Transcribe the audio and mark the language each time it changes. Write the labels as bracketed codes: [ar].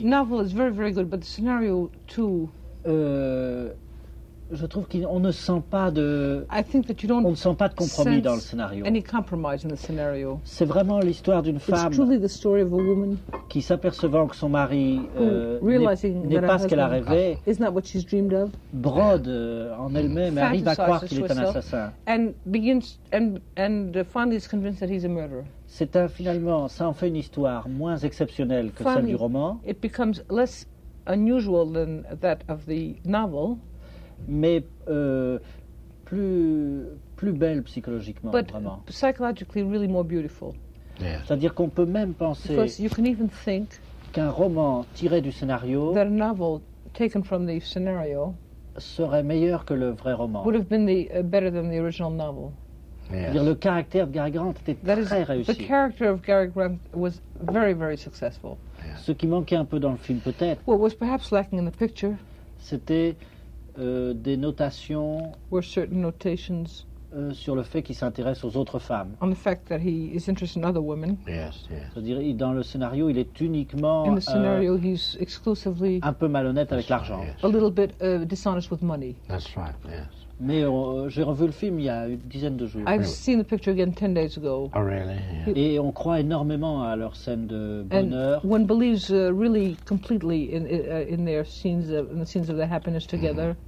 [en] The novel is very very good, but the scenario too. [fr] Je trouve qu'on ne sent pas de. [en] I think that you don't [fr] on ne sent pas de compromis dans le scénario. [en] Any compromise in the scenario. [fr] C'est vraiment l'histoire d'une femme. [en] It's truly the story of a woman [fr] qui s'apercevant que son mari n'est pas ce qu'elle a rêvé, [en] is not what she's dreamed of. [fr] Brode en elle-même, arrive à croire qu'il est un assassin. [en] And finally is convinced that he's a murderer. [fr] C'est finalement ça en fait une histoire moins exceptionnelle que [en] finally, [fr] celle du roman. [en] It becomes less unusual than that of the novel, [fr] mais plus belle psychologiquement, [en] but [fr] vraiment. [en] But psychologically, really more beautiful. Yeah. [fr] C'est-à-dire qu'on peut même penser. [en] Because you can even think [fr] qu'un roman tiré du scénario. [en] That a novel taken from the scenario [fr] serait meilleur que le vrai roman. [en] Would have been better than the original novel. [fr] Yes. Le caractère de Cary Grant était [en] that [fr] très [en] is, [fr] réussi. [en] The character of Cary Grant was very, very successful. [fr] Ce qui manquait un peu dans le film, peut-être. [en] What was perhaps lacking in the picture. [fr] C'était des notations. [en] Were certain notations. [fr] Sur le fait qu'il s'intéresse aux autres femmes. [en] On the fact that he is interested in other women. Yes, yes. [fr] C'est-à-dire, dans le scénario, il est uniquement. [en] In the scenario, he's exclusively. [fr] Un peu malhonnête avec l'argent. [en] Yes. A little bit dishonest with money. That's right. Yes. [fr] Mais j'ai revu le film il y a une dizaine de jours. [en] I've seen the picture again 10 days ago. Oh really? Yeah. [fr] Et on croit énormément à leurs scènes de bonheur. [en] And one believes really completely in their scenes of, in the scenes of their happiness together.